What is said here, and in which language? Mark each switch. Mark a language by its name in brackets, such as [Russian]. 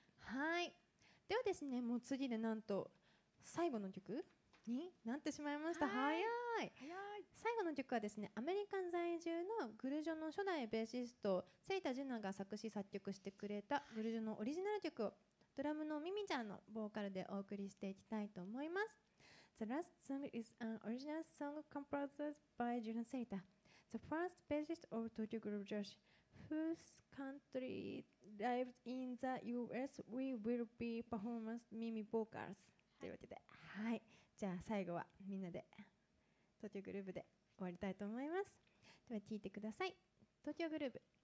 [Japanese] はい、ではですね、もう次でなんと最後の曲になってしまいました。はい、早い。最後の曲はですね、アメリカン在住のグルジョの初代ベーシスト瀬田純奈が作詞作曲してくれたグルジョのオリジナル曲をドラムのミミちゃんのボーカルでお送りしていきたいと思います。 [English] The last song is an original song composed by Juna Seita, the first bassist of Tokyo Groove Joshi, whose country lives in the US. We will be performing Mimi vocals. [Japanese] ということで、はい、じゃあ最後はみんなで Tokyo Groove で終わりたいと思います。では聴いてください、 Tokyo Groove。